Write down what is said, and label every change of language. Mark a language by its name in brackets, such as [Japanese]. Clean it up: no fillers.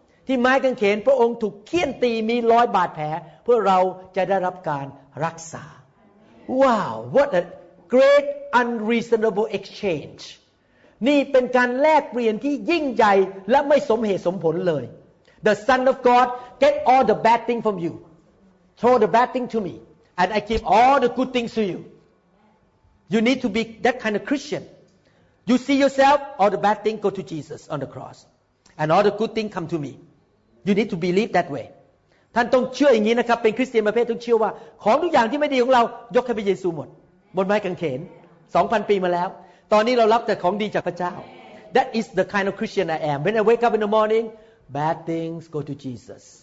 [Thai] ที่ไม้กางเขนพระองค์ถูกเฆี่ยนตีมีรอยบาดแผลเพื่อเราจะได้รับการรักษา [English] Wow, what a great unreasonable exchange. [Thai] นี่เป็นการแลกเปลี่ยนที่ยิ่งใหญ่และไม่สมเหตุสมผลเลย [English] The Son of God get all the bad thing from you. Throw the bad thing to me and I give all the good things to you. You need to be that kind of Christian. You see yourself, all the bad things go to Jesus on the cross. And all the good things come to me. You need to believe that way. [Thai] ท่านต้องเชื่ออย่างนี้นะครับเป็นคริสเตียนประเภทต้องเชื่อว่าของทุกอย่างที่ไม่ดีของเรายกให้พระเยซูหมดบนไม้กางเขน 2,000 ปีมาแล้วตอนนี้เรารับแต่ของดีจากพระเจ้า [English] That is the kind of Christian I am. When I wake up in the morning, bad things go to Jesus.